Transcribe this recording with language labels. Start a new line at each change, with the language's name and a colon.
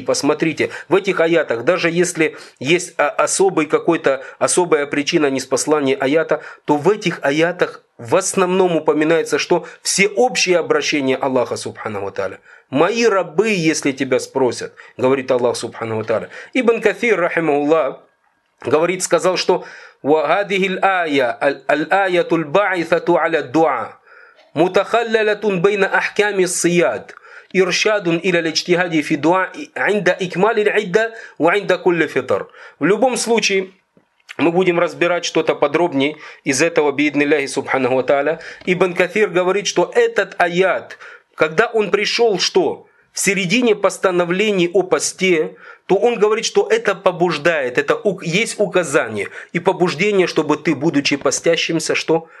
Russian: Посмотрите, в этих аятах, даже если есть особый какой-то, особая причина ниспослания аята, то в этих аятах в основном упоминается, что всеобщее обращение Аллаха Субхана ва Тааля. «Мои рабы, если тебя спросят», говорит Аллах Субхана ва Тааля. Ибн Кафир, рахимахулла, говорит, сказал, что
Arabic: وهذه الآية الآية الباعثة على الدعاء متخللة بين أحكام الصياد إرشاد إلى الاجتهاد في الدعاء عند إكمال العدة وعند كل فطر.
Russian: В любом случае мы будем разбирать что-то подробнее из этого
Arabic: بإذن الله سبحانه وتعالى.
Russian: Ибн Кафир говорит, что этот аят, когда он пришел, что в середине постановлений о посте, то он говорит, что это побуждает, это есть указание и побуждение, чтобы ты, будучи постящимся, что?